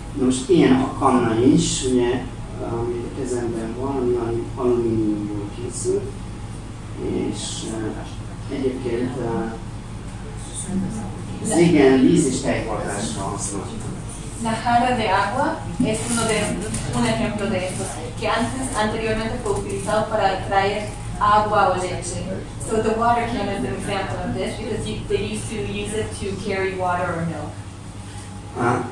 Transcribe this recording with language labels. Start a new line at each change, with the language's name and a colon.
Hungarian: Most ilyen a kanna is, ugye, ami a kezemben van, ami alumíniumból készült, és egyébként igen, víz és tejhajtásra használtam.
Spanish: La jarra de agua es uno de un ejemplo de esto, que antes anteriormente fue utilizado para traer agua o leche.
English: So the water can is an example of this because you, they used to use it to carry water or milk.